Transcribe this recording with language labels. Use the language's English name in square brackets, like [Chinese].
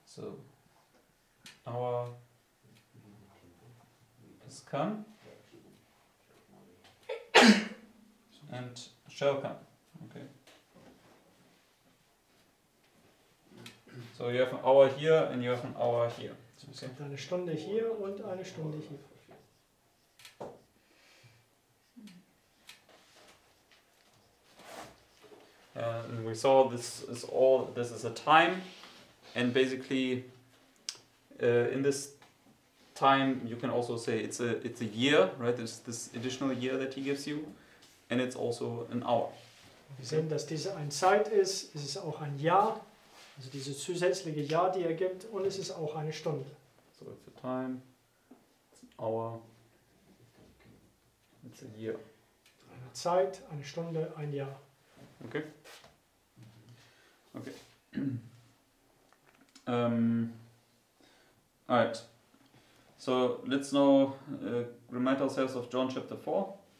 [English] So our come and shall come. Okay. So you have an hour here and you have an hour here. [German] Okay. Eine Stunde hier und eine Stunde hier. [English] we saw this is all, this is a time, and basically in this time you can also say it's a year, right? There's this additional year that he gives you, and it's also an hour. [German] Wir sehen, dass diese ein Zeit ist, es ist auch ein Jahr, also dieses zusätzliche Jahr, die gibt, und es ist auch eine Stunde. [English] So it's a time, it's an hour, it's a year. [German] Eine Zeit, eine Stunde, ein Jahr. [English] Okay. Okay. All right. So let's now remind ourselves of John chapter 4.